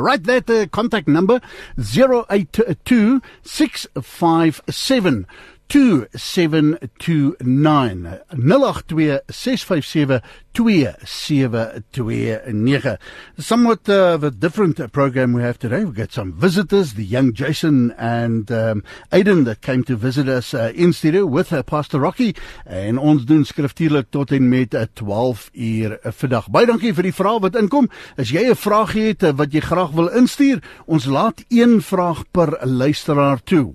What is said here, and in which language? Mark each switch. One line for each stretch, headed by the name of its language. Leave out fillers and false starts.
English: Write that contact number, 082-657-2729. Somewhat of a different program we have today. We've got some visitors, the young Jason and Aiden that came to visit us in studio with Pastor Rocky.
Afrikaans: En ons doen skriftuurlik tot en met 12 uur vandag. Baie dankie vir die vraag wat inkom. As jy 'n vraag het wat jy graag wil instuur, ons laat een vraag per luisteraar toe.